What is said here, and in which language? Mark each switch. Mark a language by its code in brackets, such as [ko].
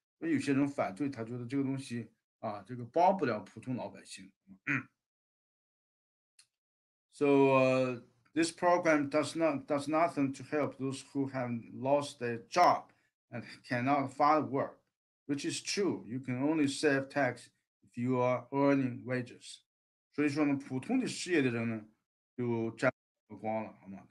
[zh] 所以有些人反对，他觉得这个东西啊，这个帮不了普通老百姓。 [en] 嗯、so this program does nothing to help those who have lost their job and cannot find work, which is true. You can only save tax if you are earning wages. [zh] 所以说呢，普通的失业的人呢，就沾不光了，好吗？